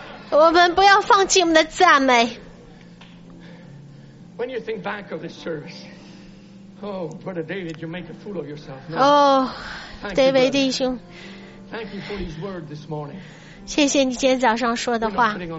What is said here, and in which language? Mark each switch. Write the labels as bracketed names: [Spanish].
[Chinese] 我们不要放弃我们的赞美。 [English] When you think back of this service, oh, Brother David, you make a fool of yourself. No. Oh, David 弟兄， Thank you for His word this morning. [Chinese] 谢谢你今天早上说的话。